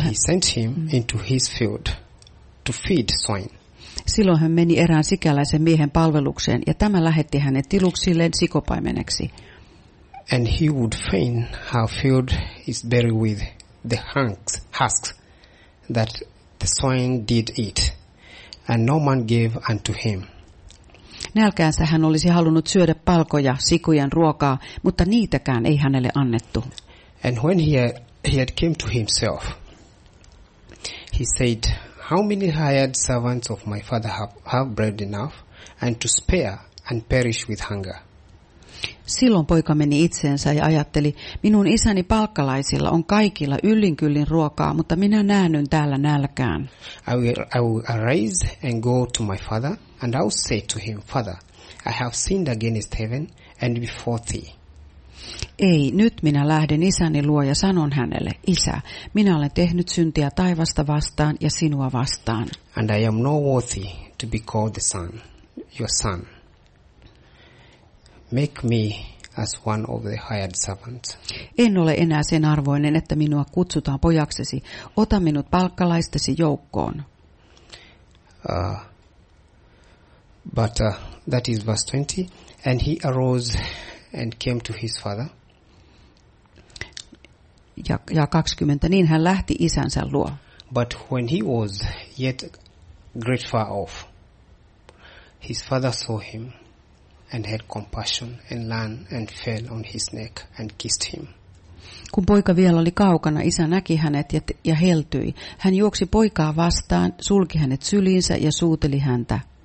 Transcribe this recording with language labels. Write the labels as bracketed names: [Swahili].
[English] and he sent him into his field to feed swine. [Finnish] Silloin hän meni erään sikäläisen miehen palvelukseen ja tämä lähetti hänet tiluksilleen sikopaimeneksi. [English] And he would fain have filled his belly with the husks that the swine did eat, and no man gave unto him. [Finnish] Nälkäänsä hän olisi halunnut syödä palkoja, sikujen ruokaa, mutta niitäkään ei hänelle annettu. [English] And when he had came to himself, he said, "How many hired servants of my father have bread enough and to spare and perish with hunger?" [Finnish] Silloin poika meni itseensä ja ajatteli, minun isäni palkkalaisilla on kaikilla yllin kyllin ruokaa, mutta minä näännyn täällä nälkään. [English] I will arise and go to my father, and I will say to him, Father, I have sinned against heaven and before thee. [Finnish] Ei, nyt minä lähden isäni luo ja sanon hänelle, Isä, minä olen tehnyt syntiä taivasta vastaan ja sinua vastaan. [English] And I am no worthy to be called the son, your son. Make me as one of the hired servants. [Finnish] En ole enää sen arvoinen, että minua kutsutaan pojaksesi. Ota minut palkkalaistesi joukkoon. [English] That is verse 20. And he arose and came to his father. [Finnish] Ja 20. Niin hän lähti isänsä luo. [English] But when he was yet great far off, his father saw him. And had compassion and ran and fell on his neck and kissed him. [Finnish] Kun poika vielä oli kaukana, isä näki hänet ja heltyi. Hän juoksi poikaa vastaan, sulki hänet syliinsä ja suuteli häntä.